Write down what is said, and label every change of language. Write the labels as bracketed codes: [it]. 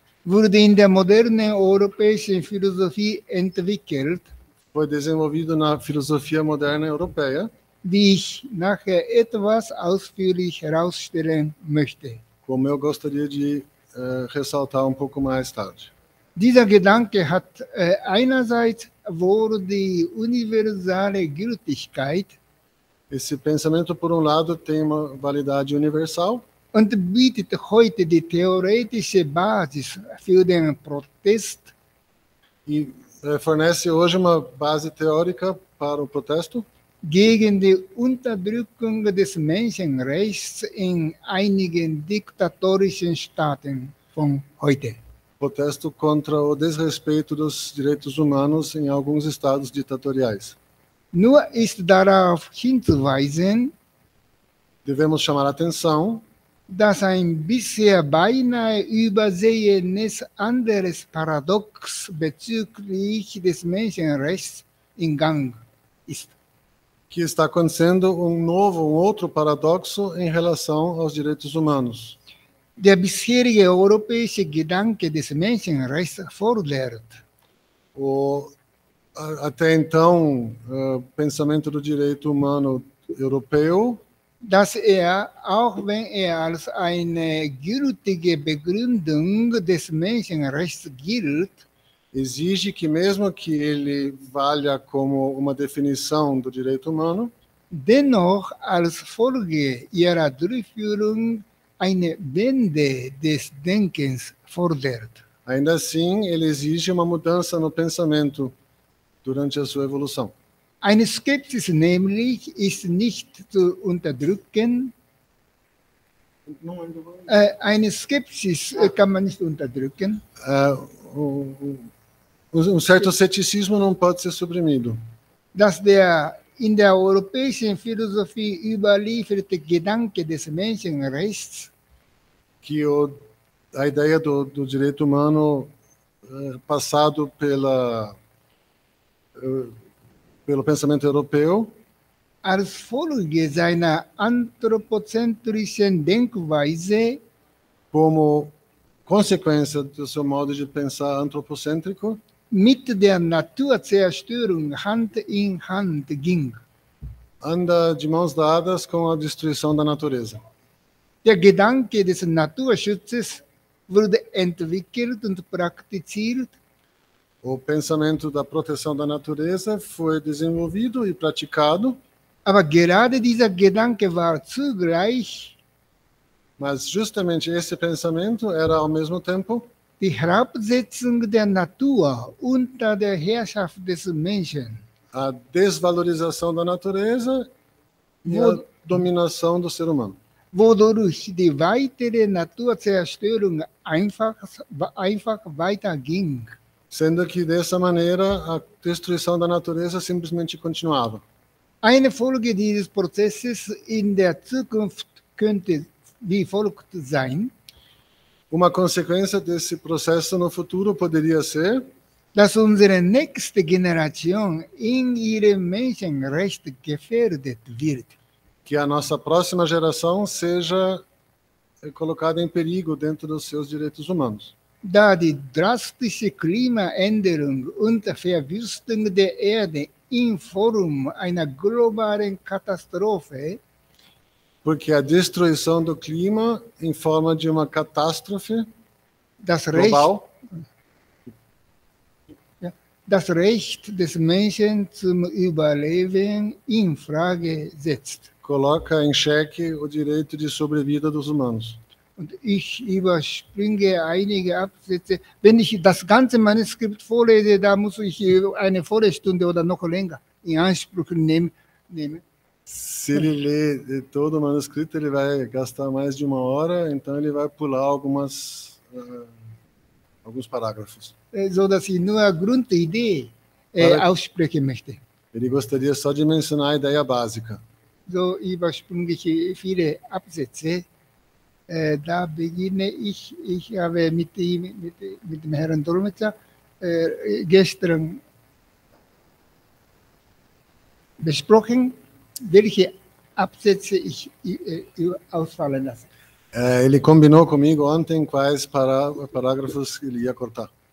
[de] wurde in der modernen europäischen Philosophie entwickelt. [pt] Foi desenvolvido na filosofia moderna europeia. [de] Wie ich nachher etwas ausführlich herausstellen möchte. [pt] Como eu gostaria de ressaltar pouco mais tarde. [de] Dieser Gedanke hat einerseits wohl die universale Gültigkeit. [pt] Esse pensamento, por lado, tem uma validade universal. [de] Und bietet heute die theoretische Basis für den Protest. [pt] E fornece hoje uma base teórica para o protesto. [de] Gegen die Unterdrückung des Menschenrechts in einigen diktatorischen Staaten von heute. [pt] Protesto contra o desrespeito dos direitos humanos em alguns estados ditatoriais. [de] Nur ist darauf hinzuweisen, [pt] devemos chamar a atenção, [de] dass ein bisher beinahe übersehenes anderes Paradox bezüglich des Menschenrechts in Gang ist. [pt] Que está acontecendo um outro paradoxo em relação aos direitos humanos. [de] Der bisherige europäische Gedanke des Menschenrechts fordert. [pt] Até então, pensamento do direito humano europeu, [de] dass auch wenn als eine gültige Begründung des Menschenrechts gilt, [pt] exige que, mesmo que ele valha como uma definição do direito humano, [de] dennoch als Folge ihrer Durchführung eine Wende des Denkens fordert. [pt] Ainda assim, ele exige uma mudança no pensamento durante a sua evolução. [de] Eine Skepsis nämlich ist nicht zu unterdrücken. Eine Skepsis kann man nicht unterdrücken. [pt] Um certo ceticismo não pode ser suprimido. [de] Dass der in der europäischen Philosophie überlieferte Gedanke des Menschenrechts, [pt] que a ideia do direito humano passado pelo pensamento europeu, [de] als Folge seiner anthropozentrischen Denkweise, [pt] como consequência do seu modo de pensar antropocêntrico, [de] mit der Naturzerstörung Hand in Hand ging. [pt] Anda de mãos dadas com a destruição da natureza. [de] Der Gedanke des Naturschutzes wurde entwickelt und praktiziert. [pt] O pensamento da proteção da natureza foi desenvolvido e praticado. [de] Aber gerade dieser Gedanke war zugleich, [pt] mas justamente esse pensamento era ao mesmo tempo, [de] die Herabsetzung der Natur unter der Herrschaft des Menschen. [pt] A desvalorização da natureza e a dominação do ser humano. [de] Wodurch die weitere Naturzerstörung einfach weiterging. [pt] Sendo que dessa maneira a destruição da natureza simplesmente continuava. [de] Eine Folge dieses Prozesses in der Zukunft könnte wie folgt sein. [pt] Uma consequência desse processo no futuro poderia ser, [de] dass unsere nächste Generation in ihrem Menschenrecht gefährdet wird. [pt] Que a nossa próxima geração seja é colocada em perigo dentro dos seus direitos humanos. [de] Da die drastische Klimaänderung und der Verwüstung der Erde in Form einer globalen Katastrophe. [pt] Porque a destruição do clima em forma de uma catástrofe [de] das [pt] global. [de] Das Recht des Menschen zum Überleben in Frage setzt. [pt] Coloca em xeque o direito de sobrevida dos humanos. [de] Und ich überspringe einige Absätze. Wenn ich das ganze Manuskript vorlese, da muss ich eine volle Stunde oder noch länger in Anspruch nehmen. [pt] Se ele lê todo o manuscrito, ele vai gastar mais de uma hora, então ele vai pular algumas alguns parágrafos. [de] So dass ich nur eine Grundidee aussprechen möchte. [pt] Ele gostaria só de mencionar a ideia básica. [de] So überspringe ich viele Absätze. Da beginne ich habe mit dem Herrn Dolmetscher gestern besprochen, welche Absätze ich ausfallen lasse. [pt] Ele combinou comigo ontem quais parágrafos ele ia cortar.